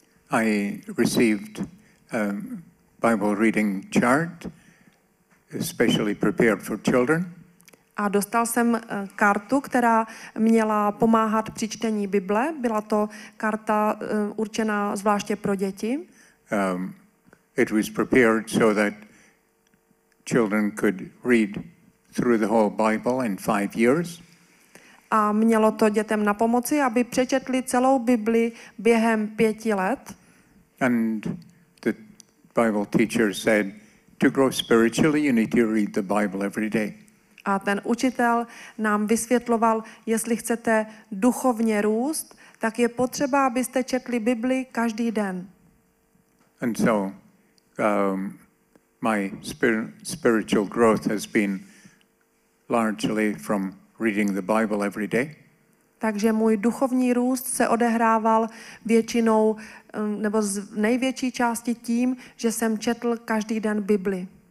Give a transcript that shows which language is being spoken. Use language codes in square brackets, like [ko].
[en] I received a Bible reading chart especially prepared for children. [cs] A dostal jsem kartu, která měla pomáhat při čtení Bible. Byla to karta určená zvláště pro děti. [en] It was prepared so that children could read through the whole Bible in 5 years. [cs] A mělo to dětem na pomoci, aby přečetli celou Bibli během 5 let. [en] And the Bible teacher said, to grow spiritually, you need to read the Bible every day. [cs] A ten učitel nám vysvětloval, jestli chcete duchovně růst, tak je potřeba, abyste četli Bibli každý den. [en] And so my spiritual growth has been largely from reading the Bible every day. [cs] Takže můj duchovní růst se odehrával většinou nebo z největší části tím, že jsem četl každý den Bibli.